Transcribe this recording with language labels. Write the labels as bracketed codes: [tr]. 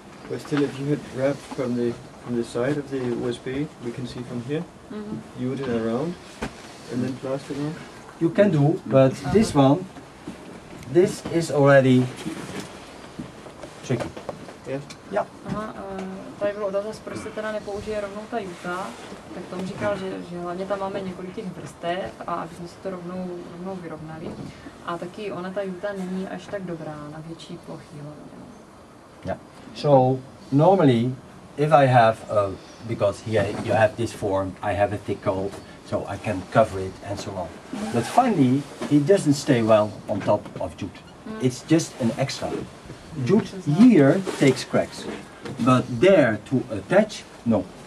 [en] But still, if you had wrapped from the side of the USB, we can see from here, mm-hmm. You would it around and then plaster it on. You can do, but this one, this is already tricky. Yeah. Yeah. [cs] Tady bylo otázka, proč se teda nepoužije rovnou ta juta, tak tomu říkal, že hlavně tam máme několik těch vrstev a aby jsme si to rovnou vyrovnali. A taky ona ta juta není až tak dobrá na větší plochy. [en] Yeah. So normally, if I have, because here you have this form, I have a thick coat, so I can cover it and so on. But finally, it doesn't stay well on top of jute. It's just an extra. Jute here takes cracks, but there to attach, no.